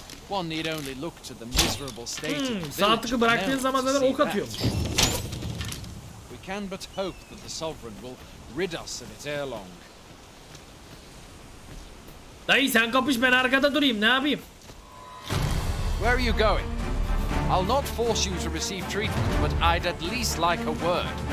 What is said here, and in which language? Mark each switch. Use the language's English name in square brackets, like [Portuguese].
[English] One need only look to the miserable state. [Turkish] Zatıkı bıraktığın zaman zaten ok atıyormuş. [English] We can but hope that the sovereign will rid us of it ere long. [Turkish] Dayı sen kapış, ben arkada durayım, ne yapayım? [English] Where are you going? I'll not force you to receive treatment, but I'd at least like a word.